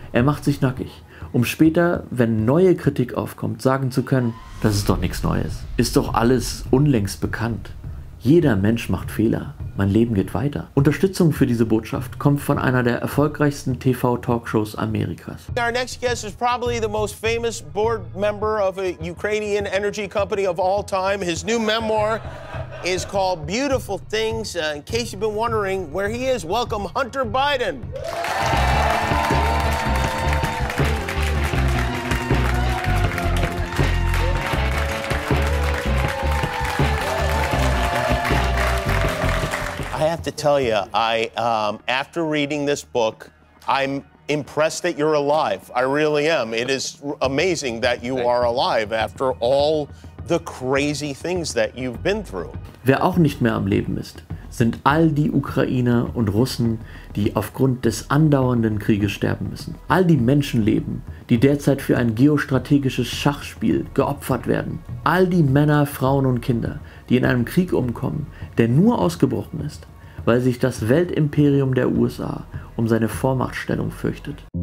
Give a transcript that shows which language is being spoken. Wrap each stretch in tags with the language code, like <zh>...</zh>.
<de>Er macht sich nackig, um später, wenn neue Kritik aufkommt, sagen zu können, das ist doch nichts Neues. Ist doch alles unlängst bekannt. Jeder Mensch macht Fehler. Mein Leben geht weiter. Unterstützung für diese Botschaft kommt von einer der erfolgreichsten TV-Talkshows Amerikas.</de> <en>Our next guest is probably the most famous board member of a Ukrainian energy company of all time. His new memoir is called Beautiful Things. In case you've been wondering where he is, welcome Hunter Biden. I have to tell you, after reading this book, I'm impressed that you're alive. I really am. It is amazing that you are alive after all the crazy things that you've been through.</en> <de>Wer auch nicht mehr am Leben ist, sind all die Ukrainer und Russen, die aufgrund des andauernden Krieges sterben müssen. All die Menschenleben, die derzeit für ein geostrategisches Schachspiel geopfert werden. All die Männer, Frauen und Kinder, die in einem Krieg umkommen, der nur ausgebrochen ist, weil sich das Weltimperium der USA um seine Vormachtstellung fürchtet.</de>